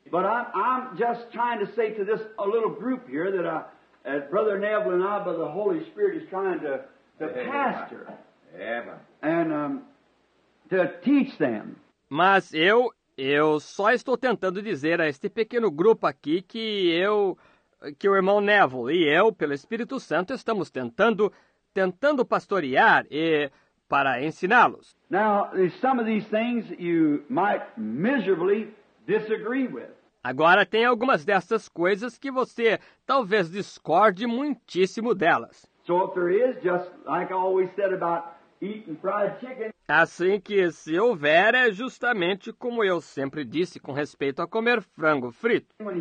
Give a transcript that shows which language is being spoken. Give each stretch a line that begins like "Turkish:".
English: But I'm just trying to say to this a little group here that as Brother Neville and I, by the Holy Spirit, is trying to pastor. And to teach them.
Portuguese: Mas eu só estou tentando dizer a este pequeno grupo aqui que o irmão Neville e eu, pelo Espírito Santo, estamos tentando pastorear e para ensiná-los.
English: Now, some of these things you might miserably disagree with.
Portuguese: Agora, tem algumas dessas coisas que você talvez discorde muitíssimo delas.
English: So if there is, just like I always said about eating fried chicken.
Portuguese: Assim que se houver, é justamente como eu sempre disse com respeito a comer frango frito.